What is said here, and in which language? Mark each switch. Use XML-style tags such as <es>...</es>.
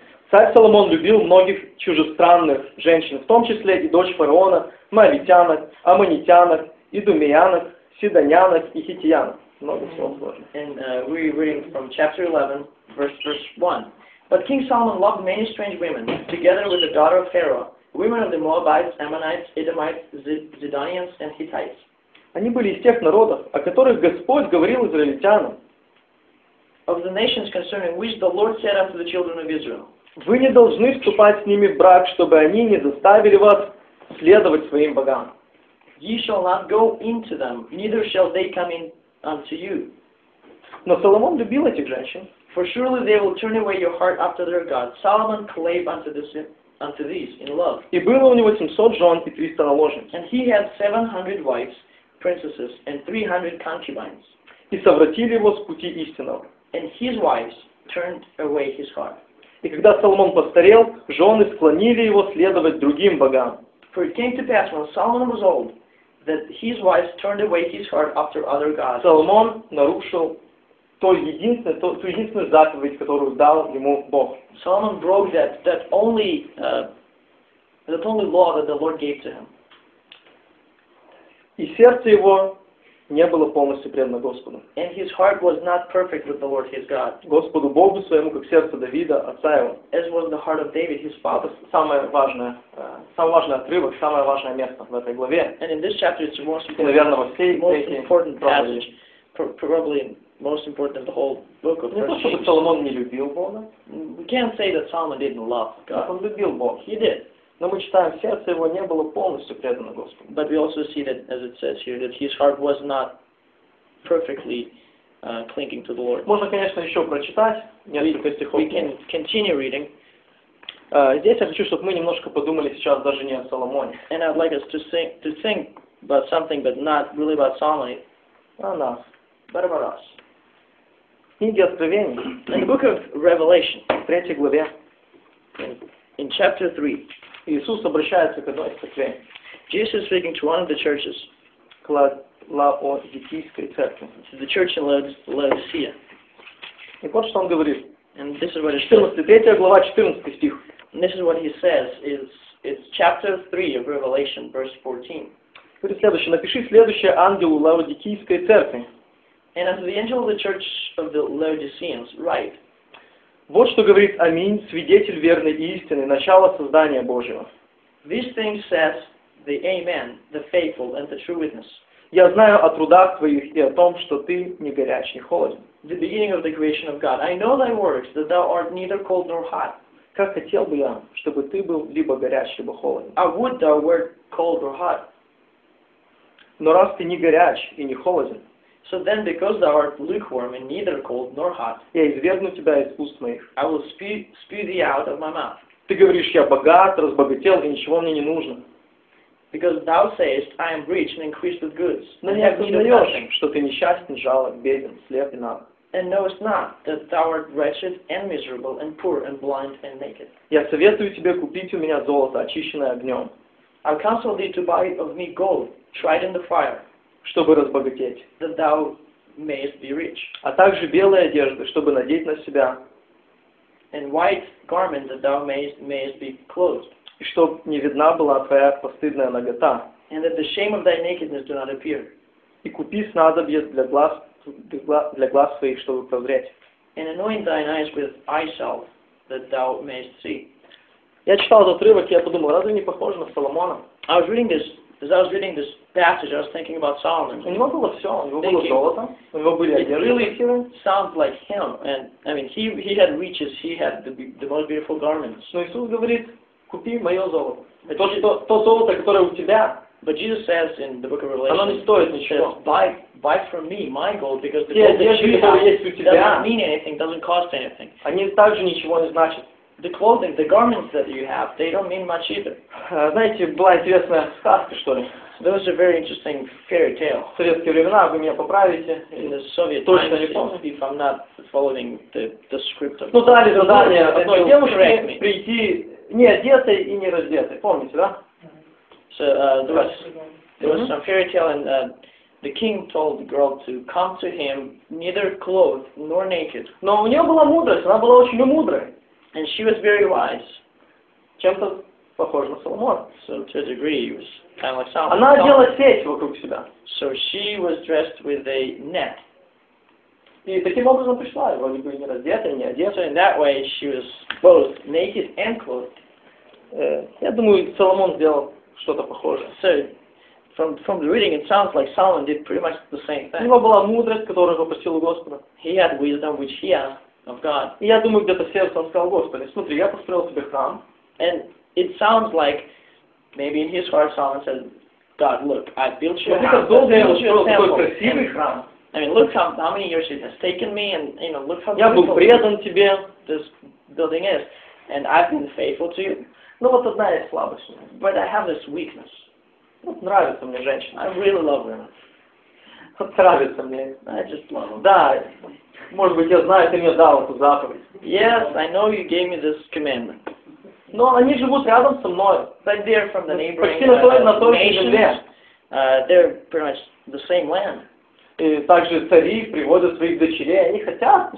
<ru>Царь Соломон любил многих чужестранных женщин, в том числе и дочь фараона, моавитянок, аммонитянок, идумеянок, сидонянок и хитиянок. Много слов сложных.</ru> <en>And we read from chapter 11, verse 1. But King Solomon loved many strange women, together with the daughter of Pharaoh, women of the Moabites, Ammonites, Edomites, Zidonians, and Hittites.</en> <ru>Они были из тех народов, о которых Господь говорил израильтянам.</ru> <en>Of the nations concerning which the Lord said unto the children of Israel.</en> <ru>Вы не должны вступать с ними в брак, чтобы они не заставили вас следовать своим богам.</ru> <en>Ye shall not go into them, neither shall they come in unto you.</en> <ru>Но Соломон любил этих женщин.</ru> <en>For surely they will turn away your heart after their God. Solomon clave unto these in love.</en> <ru>И было у него 700 жен и 300 наложниц.</ru> <en>And he had 700 wives, princesses, and 300 concubines.</en> <ru>И совратили его с пути истинного.</ru> <en>And his wives turned away his heart.</en> <ru>И когда Соломон постарел, жены склонили его следовать другим богам.</ru> <en>For it came to pass when Solomon was old, that his wives turned away his heart after other gods.</en> <ru>Соломон нарушил ту единственную заповедь, которую дал ему Бог.</ru> <en>Solomon broke that only law that the Lord gave to him.</en> <ru>И сердце его не было полностью предано Господу.</ru> <en>And his heart was not perfect with the Lord his God.</en> <ru>Господу Богу своему, как сердце Давида, отца его.</ru> <en>As was the heart of David, his father.</en> <ru>Самый важный отрывок, самое важное место в этой главе.</ru> <en>And in this chapter, it's the most important,</en> <ru>наверное,</ru> <en>passage. Probably most important in the whole book of Proverbs.</en> <ru>Не то, чтобы Соломон не любил Бога.</ru> <en>We can't say that Solomon didn't love God.</en> <ru>Он любил Бога.</ru> <en>He did.</en> <ru>Но мы читаем, сердце его не было полностью предано Господу.</ru> <en>But we also see that, as it says here, that his heart was not perfectly clinging to the Lord.</en> <ru>Можно, конечно, еще прочитать несколько стихов.</ru> <en>We can continue reading.</en> <ru>Здесь я хочу, чтобы мы немножко подумали сейчас даже не о Соломоне.</ru> <en>And I'd like us to think about something, but not really about Solomon.</en> <ru>О нас.</ru> <en>But about us.</en> <ru>Книга Откровений.</ru> <en>In the book of Revelation.</en> <ru>В третьей главе.</ru> <en>In chapter 3.</en> <ru>Иисус обращается к одной из церквей.</ru> <en>Jesus is speaking to one of the churches.</en> <ru>К Лаодикийской церкви.</ru> <en>To the church in Laodicea.</en> <ru>И вот что он говорит.</ru> <en>And this is what he says.</en> <ru>3 глава, 14 стих.</ru> <en>And this is what he says. It's chapter 3 of Revelation, verse 14.</en> <ru>Говорит следующее. Напиши следующее ангелу Лаодикийской церкви.</ru> <en>And as the angel of the church of the Laodiceans, write.</en> <ru>Вот что говорит Аминь, свидетель верной истины, начало создания Божьего.</ru> <en>This thing says the Amen, the faithful and the true witness.</en> <ru>Я знаю о трудах твоих и о том, что ты не горяч, не холоден.</ru> <en>The beginning of the creation of God. I know thy works, that thou art neither cold nor hot.</en> <ru>Как хотел бы я, чтобы ты был либо горяч, либо холоден.</ru> <en>I would thou wert cold or hot.</en> <ru>Но раз ты не горяч и не холоден,</ru> <en>so then, because thou art lukewarm and neither cold nor hot,</en> <ru>я извергну тебя из уст моих.</ru> <en>I will spew thee out of my mouth.</en> <ru>Ты говоришь, я богат, разбогател, и ничего мне не нужно.</ru> <en>Because thou sayest, I am rich and increased with goods.</en> <ru>Но не осознаешь, что ты несчастен, жалок, беден, слеп и наг.</ru> <en>And knowest not that thou art wretched and miserable and poor and blind and naked.</en> <ru>Я советую тебе купить у меня золото, очищенное огнем.</ru> <en>I counsel thee to buy of me gold, tried in the fire.</en> <ru>Чтобы разбогатеть.</ru> <en>That thou mayest be rich.</en> <ru>А также белые одежды, чтобы надеть на себя.</ru> <en>And white garments that thou mayest be clothed.</en> <ru>И чтоб не видна была твоя постыдная нагота.</ru> <en>And that the shame of thy nakedness do not appear.</en> <ru>И купи снадобье для глаз своих, чтобы прозреть.</ru> <en>And anoint thine eyes with eye salve that thou mayest see.</en> <ru>Я читал этот отрывок, я подумал, разве не похоже на Соломона?</ru> <en>I was reading this. As I was reading this passage, I was thinking about Solomon.</en> <ru>У него было все, у него было золото, у него были одежды.</ru> <en>It really sounds like him, and I mean, he had riches, he had the most beautiful garments.</en> <ru>Но Иисус говорит, купи мое золото. То золото, которое у тебя.</ru> <en>But Jesus says in the book of Revelation,</en> <ru>оно не стоит ничего.</ru> <en>Buy from me my gold, because the gold that you have doesn't mean anything, doesn't cost anything.</en> <ru>Они также ничего не значат.</ru> <en>The clothing, the garments that you have, they don't mean much either.</en> <ru>Знаете, была известная сказка, что ли?</ru> <en>There was a very interesting fairy tale.</en> <ru>В советские времена, вы меня поправите.</ru> <en>In the Soviet times, if I'm not following the script of...</en> <ru>Ну, дали задание одной девушке прийти не одетой и не раздетой. Помните, да?</ru> <en>So, there was some fairy tale, and the king told the girl to come to him neither clothed nor naked.</en> <ru>Но у нее была мудрость, она была очень мудрой.</ru> <en>And she was very wise.</en> <ru>Чем-то похож на Соломон.</ru> <en>So to a degree, he was kind of like Solomon.</en> <ru>Она одела сеть вокруг себя.</ru> <en>So she was dressed with a net.</en> <ru>И таким образом пришла, вроде бы не раздетая, не одета.</ru> <en>So in that way, she was both naked and clothed.</en> <ru>Я думаю, Соломон сделал что-то похожее.</ru> <en>So from the reading, it sounds like Solomon did pretty much the same thing.</en> <ru>У него была мудрость, которую попросил у Господа.</ru> <en>He had wisdom, which he asked. Of God.</en> <ru>И я думаю, где-то сердце он сказал, Господи, смотри, я построил себе храм.</ru> <en>And it sounds like maybe in his heart Solomon said, God, look, I built you a house.</en> <ru>Смотри, как долго я построил такой красивый храм.</ru> <en>I mean, look how many years it has taken me, and you know, look how</en> <ru>я был предан тебе.</ru> <en>This building is, and I've been faithful to you.</en> <ru>Ну вот одна из слабостей.</ru> <en>But I have this weakness.</en> <ru>Вот нравится мне женщина.</ru> <en>I really love women.</en> <ru>Вот нравится мне.</ru> <en>I just love them.</en> <ru>Да. Может быть, я знаю, ты мне дал эту заповедь.</ru> <en>Yes, I know you gave me this commandment.</en> <ru>Но они живут рядом со мной.</ru> <en>But they're from the neighboring</en> <ru>почти на той, на той же земле.</ru> <en>They're pretty much the same land.</en> <ru>И также цари приводят своих дочерей, они хотят.</ru>